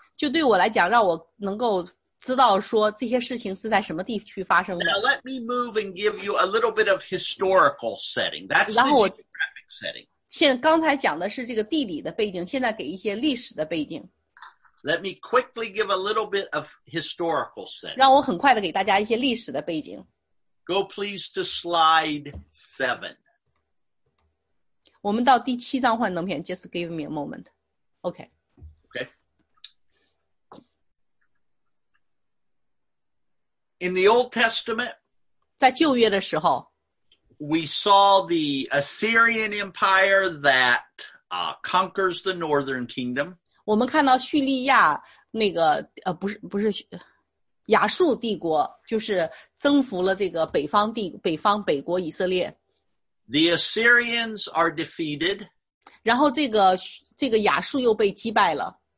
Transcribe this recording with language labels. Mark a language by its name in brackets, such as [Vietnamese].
[Chinese] 就对我来讲让我能够知道说这些事情是在什么地区发生的。 [English] Now let me move and give you a little bit of historical setting. That's the geographic setting. [Chinese] 现在刚才讲的是这个地理的背景，现在给一些历史的背景。 [English] Let me quickly give a little bit of historical setting. [Chinese] 让我很快的给大家一些历史的背景。 [English] Go please to slide 7. [Chinese] 我们到第七张幻灯片 , [English] just give me a moment. Okay. In the Old Testament, [Chinese] 在旧约的时候 [English] we saw the Assyrian Empire that conquers the Northern Kingdom. [Chinese] 我们看到叙利亚那个不是亚述帝国就是征服了这个北方北国以色列。 [English] The Assyrians are defeated. [Chinese] 然后这个亚述又被击败了。